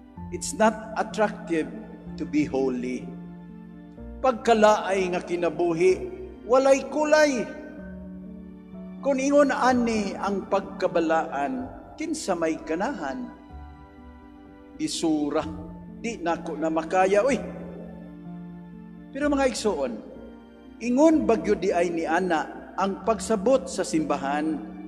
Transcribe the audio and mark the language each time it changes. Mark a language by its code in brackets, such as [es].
[en] It's not attractive to be holy. [ceb] Pagkalaay nga kinabuhi, walay kulay. Kung ingon ani ang pagkabalaan, kinsa may ganahan, bisura, di nako na makaya. Uy! Pero mga igsoon, ingon bagyo di ay ni ana ang pagsabot sa simbahan